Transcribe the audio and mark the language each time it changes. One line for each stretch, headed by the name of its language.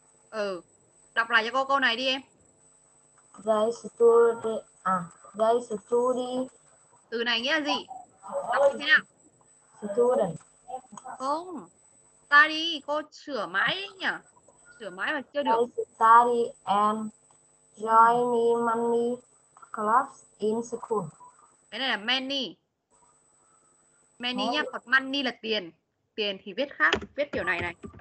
Vietnamese: Ừ, đọc lại cho cô câu này đi em.
English: They study, à, they study.
Vietnamese: Từ này nghĩa là gì? Đọc như thế nào?
English: Student.
Vietnamese: Không, study, cô sửa mãi nhỉ? Sửa mãi mà chưa được.
English: They study and join me money clubs in school.
Vietnamese: Cái này là many. Many nhá, còn money là tiền. Tiền thì viết khác, viết kiểu này này.